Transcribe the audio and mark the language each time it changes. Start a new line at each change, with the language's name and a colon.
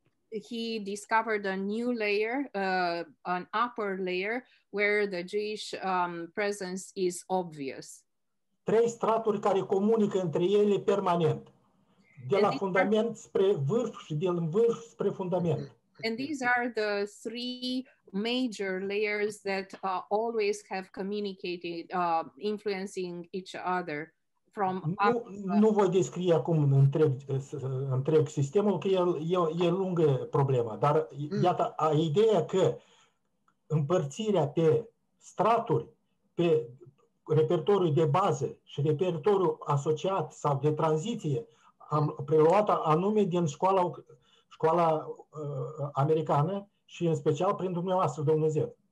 English: he discovered a new layer, an upper layer, where the Jewish presence is obvious.
Romanian: 3 straturi care comunică între ele permanent, de la fundament spre vârf și din vârf spre fundament.
English: And these are the 3 major layers that always have communicated, influencing each other.
Romanian: Nu voi descrie acum întreg sistemul, că e lungă problema, dar iată, ideea că împărțirea pe straturi, pe repertoriu de bază și repertoriu asociat sau de tranziție, am preluat anume din școala americană și în special prin dumneavoastră, domnul Zev.